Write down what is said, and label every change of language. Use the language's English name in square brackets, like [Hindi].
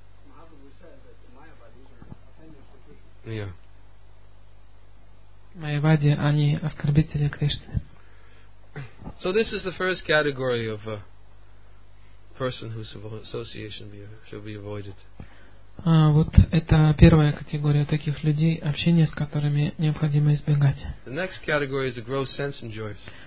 [English] Mahaprabhu said that the Mayavadis are offenders to Krishna. Yeah. [Russian] Mayavadi, они оскорбители Кришны. [English] So this is the first category of a person whose association should be avoided. [Russian] Вот это первая категория таких людей, общение с которыми необходимо избегать. [English] The next category is the gross sense enjoyers.